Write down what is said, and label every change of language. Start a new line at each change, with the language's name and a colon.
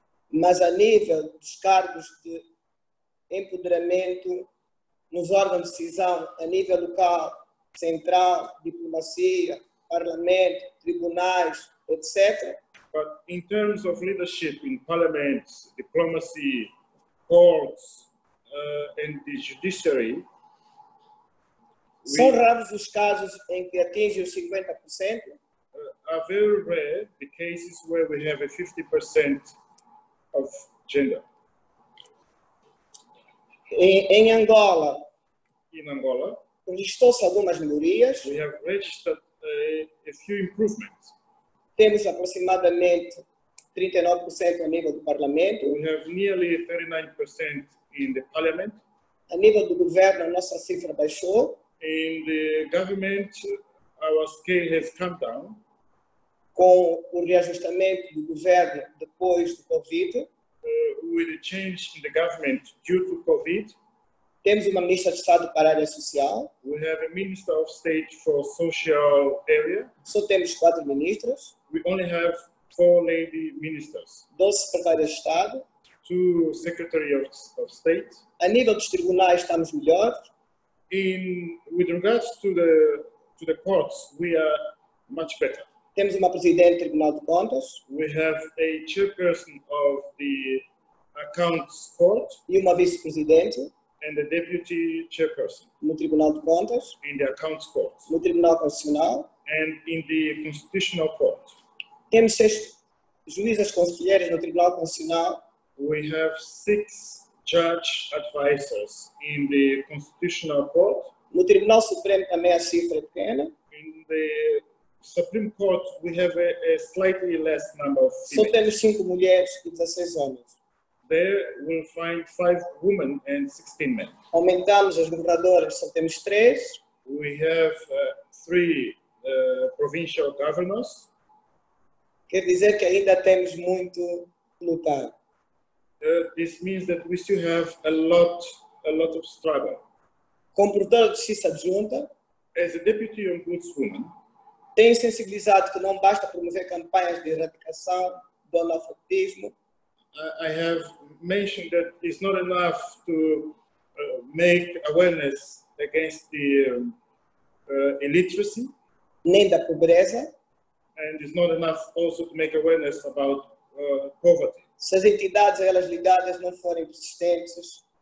Portuguese: Mas a nível dos cargos de empoderamento nos órgãos de decisão, a nível local, central, diplomacia, parlamento, tribunais, etc.
English: But in terms of leadership in parliaments, diplomacy, courts, and the judiciary,
Portuguese: são raros os casos em que atinge os 50%.
English: Are very rare the cases where we have a 50% of gender.
Portuguese: Em Angola,
English: in Angola,
Portuguese: registrou-se algumas melhorias.
English: We have registered a few improvements.
Portuguese: Temos aproximadamente 39% a nível do parlamento.
English: We have nearly 39% in the parliament.
Portuguese: A nível do governo, a nossa cifra baixou.
English: In the government, our scale has come down.
Portuguese: Com o reajustamento do governo depois do Covid.
English: With the change in the government due to Covid.
Portuguese: Temos uma ministra de Estado para a área social.
English: We have a minister of state for social area.
Portuguese: Só temos quatro ministros.
English: We only have four lady ministers.
Portuguese: 12 secretários de Estado.
English: 2 secretaries of state.
Portuguese: A nível dos tribunais estamos melhor.
English: With regards to the courts, we are much better.
Portuguese: Temos uma presidente do Tribunal de Contas.
English: We have a chairperson of the accounts court.
Portuguese: E uma vice-presidente.
English: And the deputy chairperson.
Portuguese: No Tribunal de Contas.
English: In the accounts court.
Portuguese: No Tribunal Constitucional.
English: And in the constitutional court.
Portuguese: Temos 6 juízas conselheiras no Tribunal Constitucional.
English: We have 6 judge advisors in the constitutional court.
Portuguese: No Tribunal Supremo também a cifra é pequena.
English: In the Supreme Court we have a slightly less number of females.
Portuguese: Só temos 5 mulheres e 16 homens.
English: There we'll find 5 women and 16 men.
Portuguese: Aumentamos as governadoras, só temos 3.
English: We have 3 provincial governors.
Portuguese: Quer dizer que ainda temos muito lutar.
English: This means that we still have a lot of struggle.
Portuguese: Como portadora de justiça adjunta,
English: as a deputy ombudswoman,
Portuguese: tenho sensibilizado que não basta promover campanhas de erradicação do analfabetismo.
English: I have mentioned that it's not enough to make awareness against the illiteracy.
Portuguese: Nem da pobreza.
English: And it's not enough also to make awareness about poverty.
Portuguese: Se as entidades elas ligadas não forem persistentes.